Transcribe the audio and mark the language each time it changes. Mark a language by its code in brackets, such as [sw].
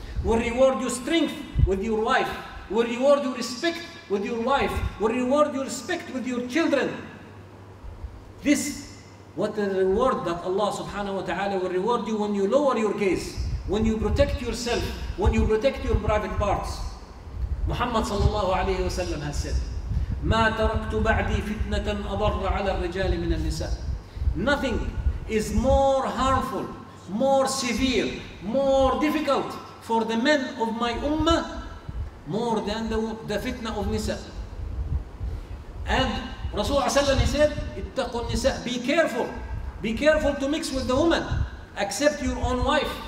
[en] Will reward you strength with your wife. Will reward you respect with your wife. Will reward you respect with your children. This, what a reward that Allah subhanahu wa ta'ala will reward you when you lower your gaze, when you protect yourself, when you protect your private parts. Muhammad sallallahu alayhi wa sallam has said, [ar] ما تركت بعدي فتنة أضر على الرجال من النساء. [en] Nothing is more harmful, more severe, more difficult for the men of my ummah more than the fitna of nisa. And Rasulullah sallallahu alayhi wa sallam said, [ar] اتقوا النساء. [en] Be careful to mix with the woman, except your own wife.